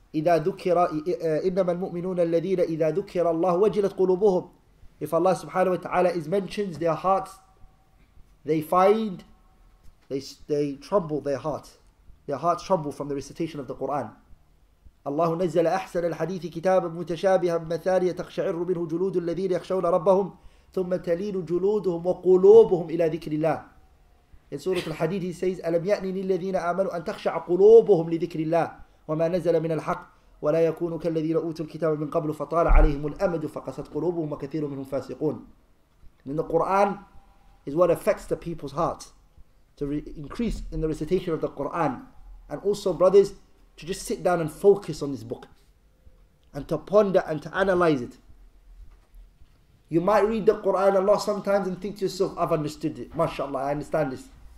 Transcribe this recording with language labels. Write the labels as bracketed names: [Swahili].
[Arabic] إذا ذكر إنما المؤمنون الذين إذا ذكر الله وجلت قلوبهم. [English] If Allah subhanahu wa ta'ala is mentions their hearts, they find, they tremble their hearts. Their hearts tremble from the recitation of the Quran. [Arabic] الله نزل أحسن الحديث كتابا متشابها مثاليا تقشعر منه جلود الذين يخشون ربهم ثم تلين جلودهم وقلوبهم إلى ذكر الله. [English] In Surah Al-Hadid, he says, [Arabic] ألم يأني للذين آمنوا أن تخشع قلوبهم لذكر الله وما نزل من الحق ولا يكون كالذين أوتوا الكتاب من قبل فطال عليهم الأمد فقست قلوبهم وكثير منهم فاسقون. [English] And the Quran is what affects the people's hearts, to increase in the recitation of the Quran, and also, brothers, to just sit down and focus on this book and to ponder and to analyze it. You might read the Quran a lot sometimes and think to yourself, I've understood it, mashallah, I understand this.